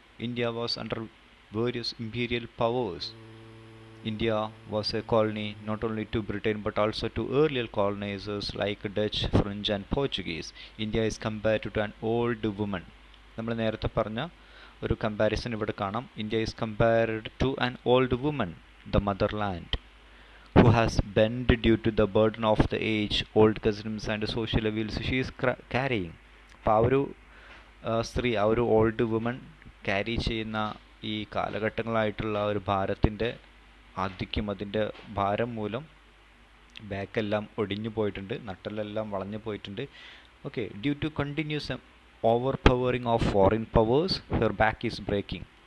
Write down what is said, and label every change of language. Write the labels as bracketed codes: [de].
[en] India was under various imperial powers. India was a colony not only to Britain but also to earlier colonisers like Dutch, French and Portuguese. India is compared to an old woman. [ml] നമ്മൾ നേരത്തെ പറഞ്ഞ ഒരു comparison ഇവിടെ കാണാം. [en] India is compared to an old woman, the motherland, who has bent due to the burden of the age, old customs and social evils she is carrying. [ml] പാവൊരു സ്ത്രീ, ആ ഒരു old woman carry ചെയ്യുന്ന ഈ കാലഘട്ടങ്ങളായിട്ടുള്ള ഒരു ഭാരത്തിൻ്റെ ആധിക്യം, അതിൻ്റെ ഭാരം മൂലം ബാക്കെല്ലാം ഒടിഞ്ഞു പോയിട്ടുണ്ട്, നട്ടലെല്ലാം വളഞ്ഞു പോയിട്ടുണ്ട്. [en] Okay, due to continuous overpowering of foreign powers her back is breaking.